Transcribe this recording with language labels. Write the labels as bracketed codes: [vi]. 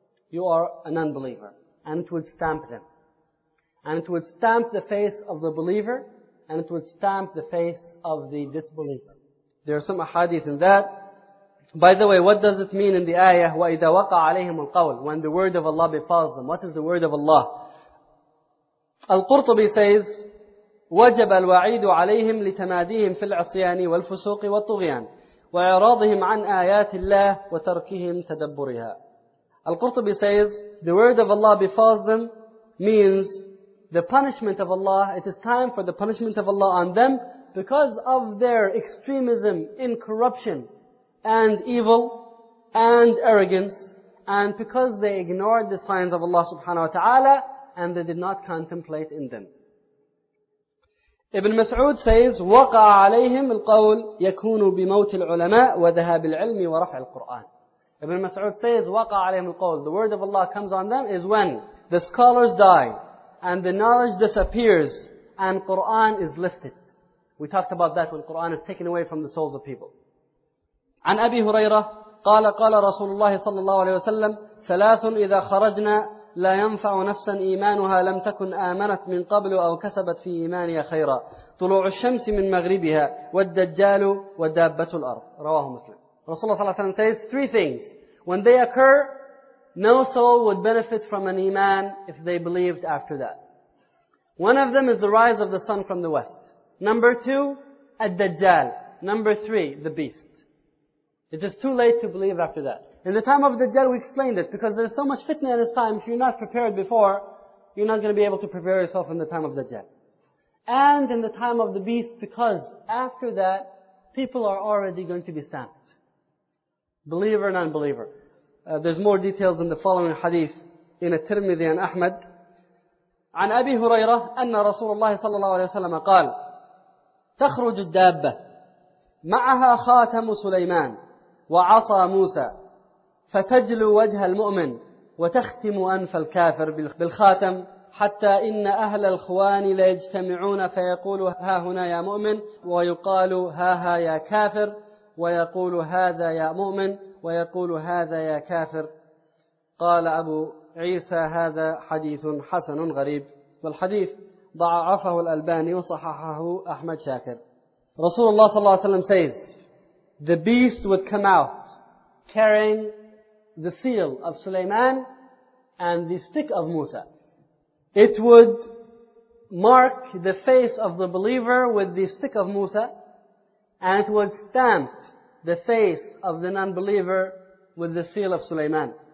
[en] You are an unbeliever. And it would stamp them. And it would stamp the face of the believer. And it would stamp the face of the disbeliever. There are some ahadith in that. By the way, what does it mean in the ayah? وَإِذَا وَقَعَ عَلَيْهِمُ الْقَوْلِ. When the word of Allah befalls them. What is the word of Allah? Al-Qurtubi says, [ar] وَجَبَ الْوَعِيدُ عَلَيْهِمْ لِتَمَادِيهِمْ فِي الْعَصْيَانِ وَالْفُسُوقِ وَالطُّغْيَانِ وَإِعْرَاضِهِمْ عَنْ آيَاتِ اللَّهِ وَتَرْكِهِمْ تَدَبُّرِهَا. [en] Al-Qurtubi says, the word of Allah befalls them means the punishment of Allah, it is time for the punishment of Allah on them because of their extremism in corruption and evil and arrogance, and because they ignored the signs of Allah subhanahu wa ta'ala and they did not contemplate in them. Ibn Mas'ud says, [ar] وَقَعَ عَلَيْهِمْ الْقَوْلِ يَكُونُ بِمَوْتِ الْعُلَمَاءِ وَذَهَابِ الْعِلْمِ وَرَفْعِ الْقُرْآنِ. [en] Ibn Mas'ud says, [ar] وَقَعَ عَلَيْهِمْ الْقَوْلِ. [en] The word of Allah comes on them is when the scholars die and the knowledge disappears and Qur'an is lifted. We talked about that when Qur'an is taken away from the souls of people. [ar] عن أبي هريرة قال قال رسول الله صلى الله عليه وسلم ثلاث إذا خرجنا لا ينفع نفسا إيمانها لم تكن آمنت من قبل أو كسبت في إيمانها خيرا طلوع الشمس من مغربها والدجال ودابة الأرض. رواه مسلم. [en] Rasulullah [ar] صلى الله عليه وسلم [en] says three things. When they occur, no soul would benefit from an iman if they believed after that. One of them is the rise of the sun from the west. Number two, الدجال. Number three, the beast. It is too late to believe after that. In the time of Dajjal, we explained it, because there's so much fitna in this time, if you're not prepared before, you're not going to be able to prepare yourself in the time of Dajjal. And in the time of the beast, because after that, people are already going to be stamped. Believer, non-believer. There's more details in the following hadith, in At-Tirmidhi and Ahmad. [ar] عن أبي هريرة أن رسول الله صلى الله عليه وسلم قال تخرج الدابة معها خاتم سليمان وعصى موسى فتجلو وجه المؤمن وتختم أنف الكافر بالخاتم حتى إن أهل الخوان ليجتمعون فيقول ها هنا يا مؤمن ويقال ها ها يا كافر ويقول هذا يا مؤمن ويقول هذا يا كافر. قال أبو عيسى هذا حديث حسن غريب. والحديث ضعفه الألباني وصححه أحمد شاكر. رسول الله صلى الله عليه وسلم [en] says the beast would come out carrying the seal of Sulaiman and the stick of Musa. It would mark the face of the believer with the stick of Musa, and it would stamp the face of the non-believer with the seal of Sulaiman.